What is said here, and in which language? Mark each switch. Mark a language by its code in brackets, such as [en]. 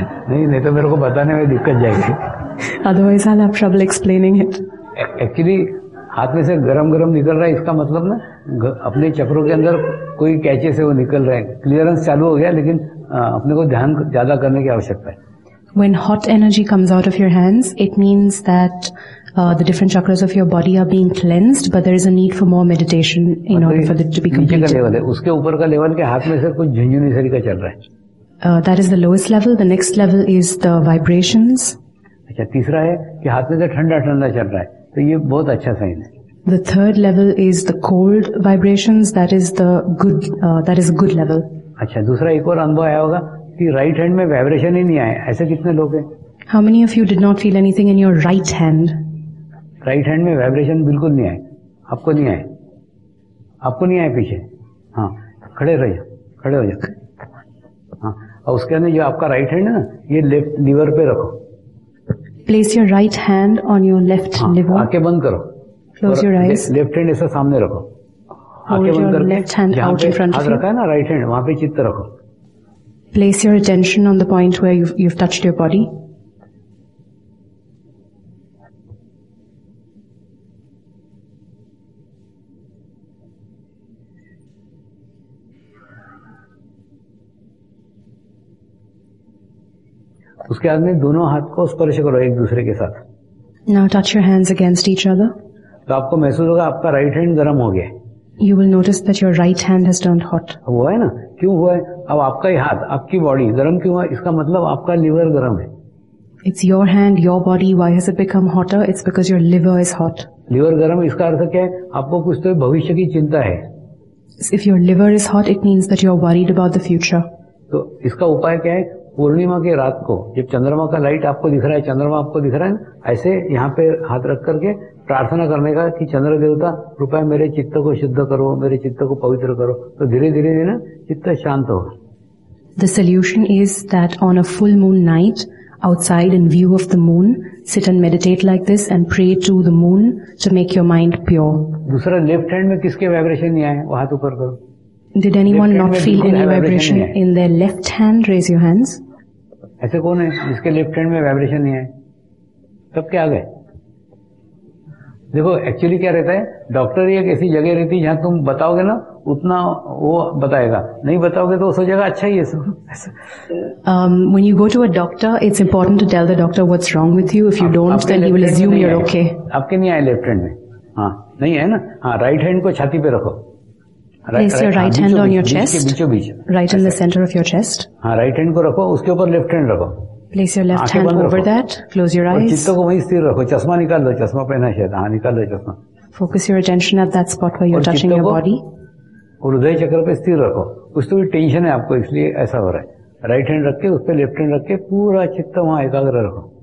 [hi] नहीं नहीं तो मेरे को बताने में दिक्कत जाएगी। [en] Otherwise I have trouble explaining it. [hi] Actually हाथ में से गरम गरम निकल रहा है, इसका मतलब ना अपने चक्रों के अंदर कोई कैचेस है वो निकल रहे हैं, क्लियरेंस चालू हो गया, लेकिन अपने को ध्यान ज्यादा करने की आवश्यकता है। [en] When hot energy comes out of your hands, it means that the different chakras of your body are being cleansed, but there is a need for more meditation in order for it to be completed. [hi] नीचे का level है, उसके ऊपर का level के हाथ में से कुछ झुंझुनी सरी का चल रहा है। [en] That is the lowest level. The next level is the vibrations. [hi] अच्छा, तीसरा है कि हाथ में से ठंडा ठंडा चल रहा है, तो ये बहुत अच्छा साइन है। [en] The third level is the cold vibrations. That is the good. That is a good level. [hi] अच्छा, दूसरा एक और अनुभव आया होगा, राइट हैंड में वाइब्रेशन ही नहीं आए, ऐसे कितने लोग हैं। [en] How many of you did not feel anything in your right hand. [hi] Right hand में वाइब्रेशन बिल्कुल नहीं आए आपको, नहीं आए आपको, नहीं आए पीछे। हाँ, खड़े रहिए, खड़े हो जाए। हाँ, उसके अंदर जो आपका राइट हैंड है ना, ये लेफ्ट लिवर पे रखो। [en] Place your right hand on your left liver. [hi] आके बंद करो। [en] Close your eyes. [hi] Left hand ऐसा सामने रखो, आके बंद करो। [en] Left hand out in front of you. [hi] रखा है ना राइट हैंड, वहां पे चित्त रखो। [en] Place your attention on the point where you've touched your body. [hi] उसके बाद में दोनों हाथ को स्पर्श करो एक दूसरे के साथ। [en] Now touch your hands against each other. [hi] तो आपको महसूस होगा आपका राइट हैंड गर्म हो गया। [en] You will notice that your right hand has turned hot. [hi] हुआ है ना? क्यों हुआ है? अब आपका ही हाथ, आपकी बॉडी गर्म क्यों है? इसका मतलब आपका लिवर गर्म है। [en] It's your hand, your body. Why has it become hotter? It's because your liver is hot. [hi] Liver गर्म, इसका अर्थ क्या है? आपको कुछ तो भविष्य की चिंता है। [en] If your liver is hot, it means that you're worried about the future. [hi] तो इसका उपाय क्या है? पूर्णिमा के रात को जब चंद्रमा का लाइट आपको दिख रहा है, चंद्रमा आपको दिख रहा है, ऐसे यहाँ पे हाथ रख करके प्रार्थना करने का कि चंद्र देवता कृपया मेरे चित्त को शुद्ध करो, मेरे चित्त को पवित्र करो, तो धीरे धीरे ना चित्त शांत होगा। [en] The solution is that on a full moon night outside in view of the moon sit and meditate like this and pray to the moon to make your mind pure. [hi] दूसरा, लेफ्ट हैंड में किसके vibration नहीं आए वो हाथ ऊपर करो। [en] Did anyone not feel any vibration in their left hand? Raise your hands. [hi] ऐसे कौन है जिसके लेफ्ट हैंड में वाइब्रेशन नहीं है? सब क्या गए? देखो एक्चुअली क्या रहता है, डॉक्टर एक ऐसी जगह रहती है जहां तुम बताओगे ना उतना वो बताएगा, नहीं बताओगे तो उसको जगह अच्छा ही है सब. [en] When you go to a doctor, it's important to tell the doctor what's wrong with you. If you don't, then he will assume you're okay. [hi] आपके नहीं आए लेफ्ट हैंड में? हाँ नहीं है ना. हाँ राइट हैंड को छाती पे रखो. [en] Place your right hand on your chest. [hi] Beach. [en] Right in the center of your chest. [hi] हाँ right hand को रखो, उसके ऊपर left hand रखो. [en] Place your left hand over that. Close your eyes. [hi] चित्त को वहीं स्थिर रखो. चश्मा निकाल लो, चश्मा पहना शायद. हाँ निकाल लो चश्मा. [en] Focus your attention at that spot where you're touching your body. [hi] और हृदय चक्र पे स्थिर रखो. उस तो भी टेंशन है आपको, इसलिए ऐसा हो रहा है. राइट हैंड रख के उस पर लेफ्ट हैंड रख के पूरा चित्त वहाँ एकाग्र रखो.